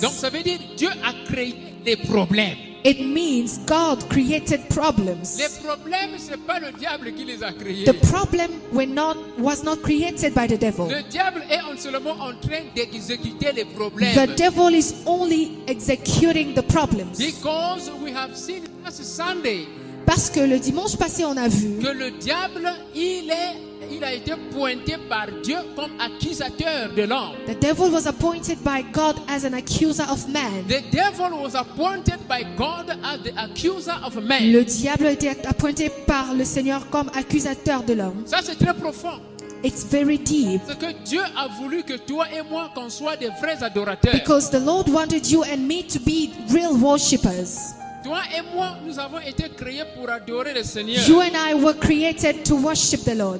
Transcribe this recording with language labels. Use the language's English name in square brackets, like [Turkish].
[French] Donc ça veut dire Dieu a créé les problèmes. [English] It means God created problems. [French] Les problèmes, c'est pas le diable qui les a créés. [English] The problem was not created by the devil. [French] Le diable est seulement en train d'exécuter les problèmes. [English] The devil is only executing the problems. Because we have seen last Sunday. [French] Parce que le dimanche passé, on a vu que le diable, il est il a été pointé par Dieu comme accusateur de l'homme. [English] The devil was appointed by God as an accuser of man. The devil was appointed by God as the accuser of man. [French] Le diable a été appointé par le Seigneur comme accusateur de l'homme. Ça c'est très profond. [English] It's very deep. [French] Parce que Dieu a voulu que toi et moi qu'on soit des vrais adorateurs. [English] Because the Lord wanted you and me to be real worshippers. [French] Toi et moi, nous avons été créés pour adorer le Seigneur. [English] You and I were created to worship the Lord.